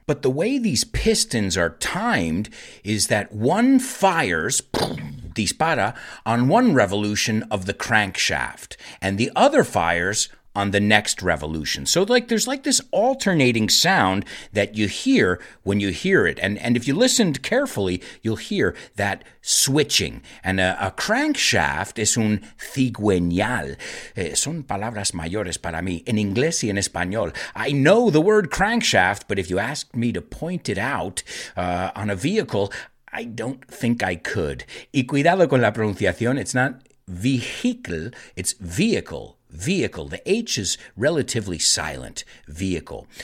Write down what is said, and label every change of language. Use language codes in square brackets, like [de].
[en] But the way these pistons are timed is that one fires, dispara, on one revolution of the crankshaft, and the other fires on the next revolution. So like there's like this alternating sound that you hear when you hear it. And if you listened carefully, you'll hear that switching. And a crankshaft [es] es un cigüeñal. Son palabras mayores para mí, en inglés y en español. [en] I know the word crankshaft, but if you asked me to point it out on a vehicle, I don't think I could. [es] Y cuidado con la pronunciación. [en] It's not vehicle, it's vehicle. Vehicle. The H is relatively silent. Vehicle.